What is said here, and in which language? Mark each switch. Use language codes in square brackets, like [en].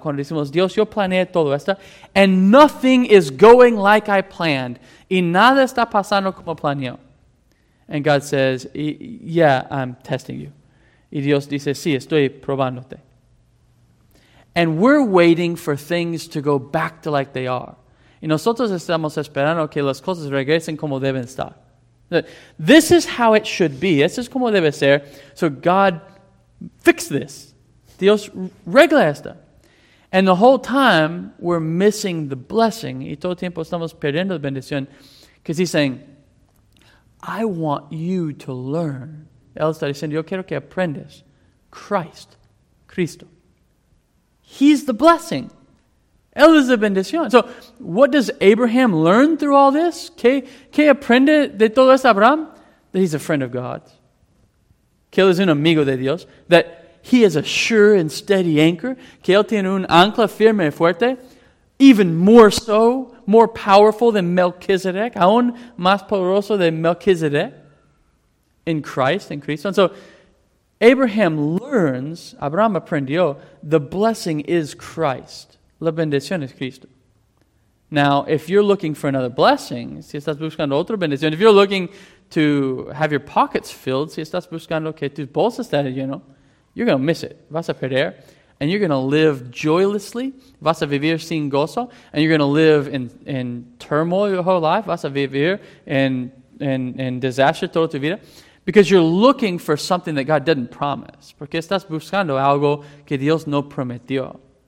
[es] Cuando decimos, Dios, yo planeé todo esto. [en] And nothing is going like I planned. [es] Y nada está pasando como planeó. [en] And God says, yeah, I'm testing you. [es] Y Dios dice, sí, estoy probándote. [en] And we're waiting for things to go back to like they are. [es] Y nosotros estamos esperando que las cosas regresen como deben estar. [en] This is how it should be. [es] Esto es como debe ser. [en] So God, fix this. [es] Dios, regla esto. [en] And the whole time, we're missing the blessing. [es] Y todo el tiempo estamos perdiendo la bendición. [en] Because he's saying, I want you to learn. [es] Él está diciendo, yo quiero que aprendas. Christ. Cristo. [en] He's the blessing. [es] Él es la bendición. [en] So, what does Abraham learn through all this? [es] ¿Qué aprende de todo esto Abraham? [en] That he's a friend of God. [es] Que él es un amigo de Dios. [en] That he is a sure and steady anchor. [es] Que él tiene un ancla firme y fuerte. [en] Even more so, more powerful than Melchizedek. [es] Aún más poderoso de Melchizedek. [en] In Christ, [es] in Cristo. [en] And so, Abraham learns, [es] Abraham aprendió, [en] the blessing is Christ. [es] La bendición es Cristo. [en] Now, if you're looking for another blessing, [es] si estás buscando otra bendición, [en] if you're looking to have your pockets filled, [es] si estás buscando que tus bolsas estén llenas, [en] you know, you're going to miss it. [es] Vas a perder. [en] And you're going to live joylessly. [es] Vas a vivir sin gozo. [en] And you're going to live in turmoil your whole life. [es] Vas a vivir en disaster toda tu vida. [en] Because you're looking for something that God didn't promise. [es] Porque estás buscando algo que Dios no prometió.